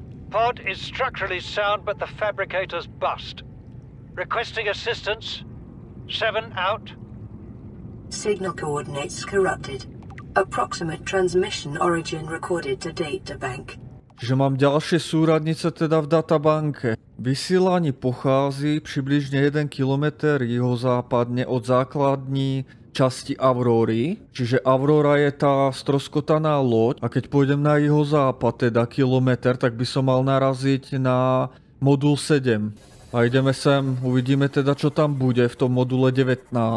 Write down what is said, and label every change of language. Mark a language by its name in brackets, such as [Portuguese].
[English] Pod is structurally sound, but the fabricator's bust. Requesting assistance. 7 out. Signal coordinates corrupted. Approximate transmission origin recorded to data bank. [Slovak] Že mám ďalšie súradnice teda v databanke. Vysielanie pochází približne 1 km juhozápadne od základní časti Aurory. Čiže Aurora je tá stroskotaná loď a keď pôjdem na juhozápad teda kilometer, tak by som mal naraziť na modul 7. A ideme sem, uvidíme teda čo tam bude v tom module 19.